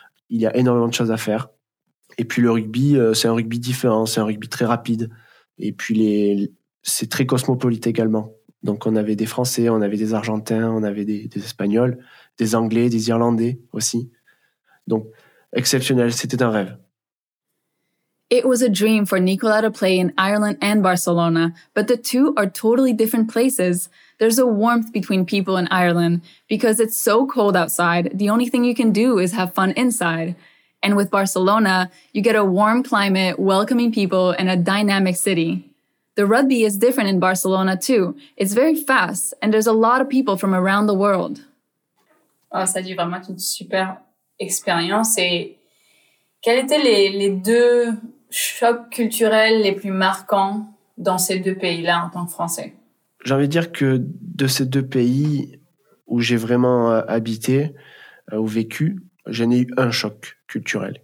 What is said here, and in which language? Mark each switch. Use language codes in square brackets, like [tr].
[fr] Il y a énormément de choses à faire. Et puis le rugby, c'est un rugby différent, c'est un rugby très rapide. Et puis c'est très cosmopolite également. Donc on avait des Français, on avait des Argentins, on avait des Espagnols, des Anglais, des Irlandais aussi. Donc exceptionnel, c'était un rêve. [en] It was a dream for Nicola to play in Ireland and Barcelona, but the two are totally different places. There's a warmth between people in Ireland. Because it's so cold outside, the only thing you can do is have fun inside. And with Barcelona, you get a warm climate, welcoming people, and a dynamic city. The rugby is different in Barcelona too. It's very fast, and there's a lot of people from around the world. [fr] Oh, ça a dû vraiment être une super expérience. Et quels étaient les deux chocs culturels les plus marquants dans ces deux pays-là en tant que Français? J'ai envie de dire que de ces deux pays où j'ai vraiment habité ou vécu, j'en ai eu un choc culturel.